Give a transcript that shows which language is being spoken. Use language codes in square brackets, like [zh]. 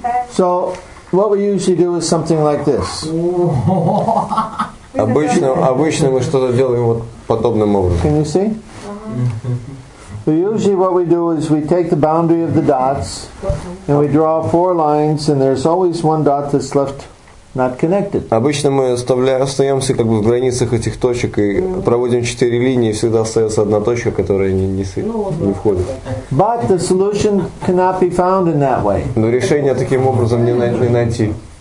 [en] So, what we usually do is something like this. [ru] Обычно мы что-то делаем вот подобным образом. [en] Can you see? So usually what we do is we take the boundary of the dots and we draw four lines and there's always one dot that's left not connected. [ru] Обычно мы остаемся как бы в границах этих точек и проводим четыре линии, и всегда остается одна точка, которая не входит. [en] But the solution cannot be found in that way. [ru] Но решение таким образом не найти.